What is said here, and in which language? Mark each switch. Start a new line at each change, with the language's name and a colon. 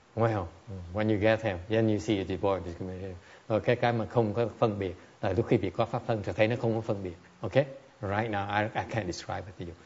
English: Well, when you get him, then you see a devoid of discrimination.
Vietnamese: Okay, cái mà không có phân biệt. Là lúc khi bị có pháp thân, thì thấy nó không có phân biệt.
English: Okay? Right now, I can't describe it to you.